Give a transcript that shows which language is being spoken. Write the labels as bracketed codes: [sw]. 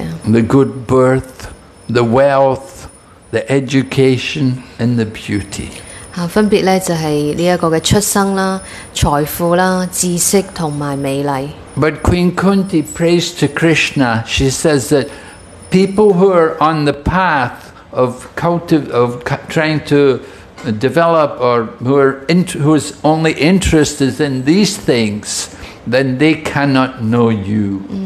[en] The good birth, the wealth, the education, and the beauty. [zh] 分别就是这个出生、财富、知识和美丽。 [en] But Queen Kunti prays to Krishna. She says that people who are on the path of trying to develop, or who are whose only interest is in these things, then they cannot know you.